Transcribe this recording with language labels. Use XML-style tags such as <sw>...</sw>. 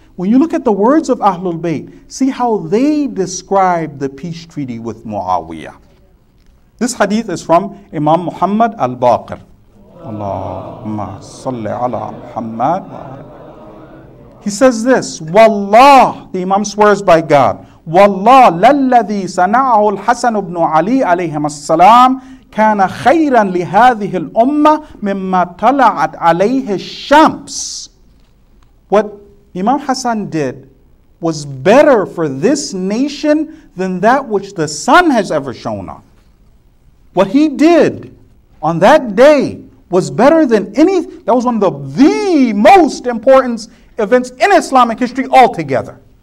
<en>When you look at the words of Ahlul Bayt, see how they describe the peace treaty with Muawiyah. This hadith is from Imam Muhammad al-Baqir.</en> <ar>Allahumma salli ala Muhammad.</ar> <en>He says this,</en> <ar>Wallah,</ar> <en>the Imam swears by God,</en> <ar>Wallah, لَلَّذِي صَنَعَهُ الْحَسَنُ بْنُ عَلِيٍّ عَلَيْهِمَ السَّلَامُ كَانَ خَيْرًا لِهَذِهِ الْأُمَّةِ مِمَّا طَلَعَتْ عَلَيْهِ الشَّمْسِ.</ar> <en>What Imam Hassan did was better for this nation than that which the sun has ever shone on. What he did on that day was better than any, that was one of the most important events in Islamic history altogether.</en>